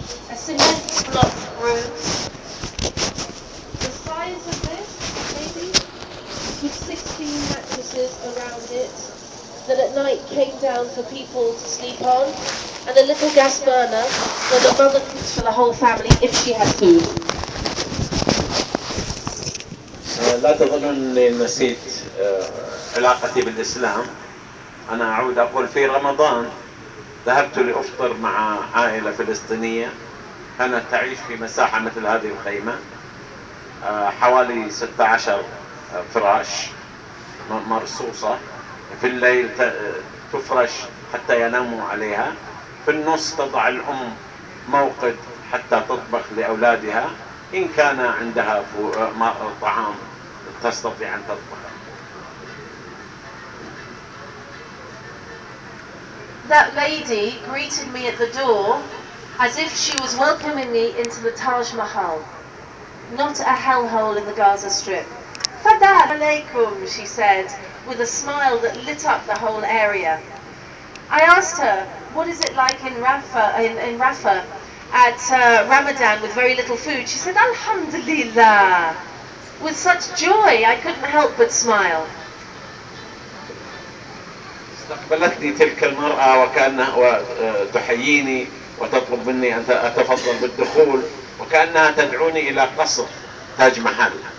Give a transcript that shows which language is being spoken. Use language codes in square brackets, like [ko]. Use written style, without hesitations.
[en] A cement block room. The size of this, maybe, with 16 mattresses around it that at night came down for people to sleep on, and a little gas burner where the mother cooks for the whole family if she has food. [ar] لا تظنني نسيت علاقتي بالإسلام. أنا أعود أقول في رمضان ذهبت لأفطر مع عائلة فلسطينية كانت تعيش في مساحة مثل هذه الخيمة حوالي 16 فراش مرصوصة في الليل تفرش حتى يناموا عليها في النص تضع الأم موقد حتى تطبخ لأولادها إن كان عندها طعام تستطيع أن تطبخ. [en] That lady greeted me at the door as if she was welcoming me into the Taj Mahal, not a hellhole in the Gaza Strip. [ar] Fadal alaikum, [en] she said, with a smile that lit up the whole area. I asked her, what is it like in Rafah at Ramadan with very little food? She said, Alhamdulillah. With such joy, I couldn't help but smile. [ar] استقبلتني تلك المرأة وكأنها تحييني وتطلب مني أن أتفضل بالدخول وكأنها تدعوني إلى قصر تاج محل